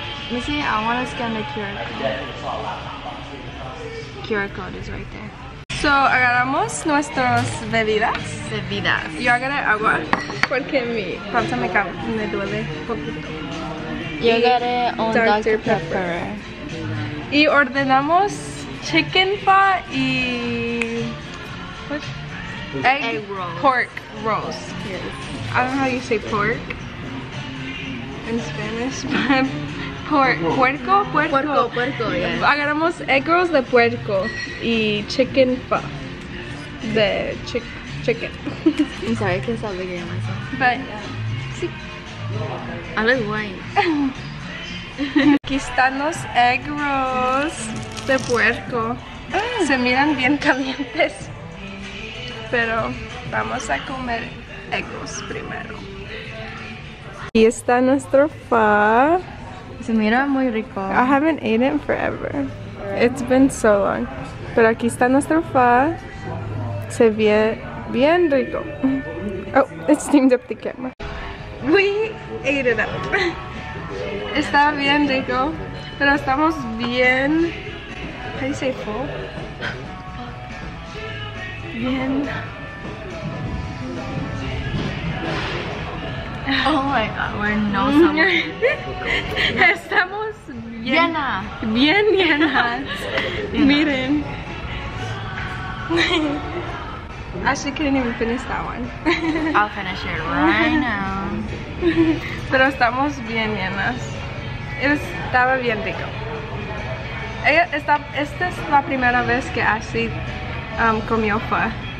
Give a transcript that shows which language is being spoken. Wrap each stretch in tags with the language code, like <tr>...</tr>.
<en>You see, I want to scan the QR code. QR code is right there.</en> <es>So, agarramos nuestras bebidas. Bebidas. Yo agarré agua. Porque mi panza me duele poquito. Yo agarré un Dr. Pepper. Y ordenamos chicken pho y... ¿qué?</es> <en>Egg rolls. Pork rolls. Yes. I don't know how you say pork in Spanish, but...</en> <es>¿Puerco? Puerco,</es> <en>yes.</en> <es>Agarramos egg rolls de puerco y chicken pho de chicken.</es> <en>I'm sorry, I can't stop looking at myself. But, yeah.</en> <es>Sí.</es> <en>I look white.</en> <es>Aquí están los egg rolls de puerco. Se miran bien calientes. Pero vamos a comer egg rolls primero. Aquí está nuestro pho. Se mira muy rico.</es> <en>I haven't eaten it forever. It's been so long.</en> <es>Pero aquí está nuestro pho. Se ve bien rico.</es> <en>Oh, it steamed up the camera. We ate it up.</en> <es>Está bien rico. Pero estamos bien...</es> <en>How do you say full?</en> <es>Bien...</es> <en>Oh my god, we're no something.</en> <es>Estamos bien. Llena. Bien llenas. Llena. Miren.</es> <en>Ashley couldn't even finish that one. I'll finish it right now.</en> <es>Pero estamos bien llenas. Estaba bien rico. Esta es la primera vez que Ashley comió pho.</es>